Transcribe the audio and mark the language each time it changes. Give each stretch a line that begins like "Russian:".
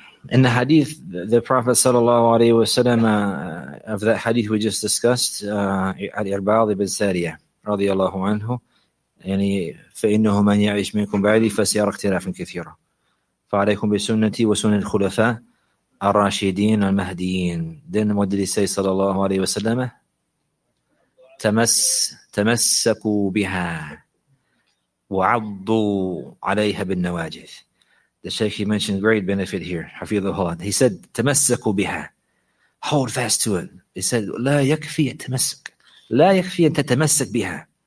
English: In the hadith, the Prophet sallallahu alayhi wa sallam, of that hadith we just discussed, Ali Arba'ad ibn Sariyah, radiallahu anhu,
Arabic: يعني فإنه من يعيش منكم بعدي فسيرى اختلافا كثيرا. فعليكم بسنتي وسنة الخلفاء الراشدين المهديين.
English: Then what did he say sallallahu alayhi wa sallam?
Arabic: تمسكوا بها وعضوا عليها بالنواجذ.
English: The Shaykh, he mentioned great benefit here, Hafidhullah. He said
Arabic: تمسكوا بها,
English: hold fast to it. He said
Arabic: لا يكفي التمسك, لا يكفي أن تتمسك بها.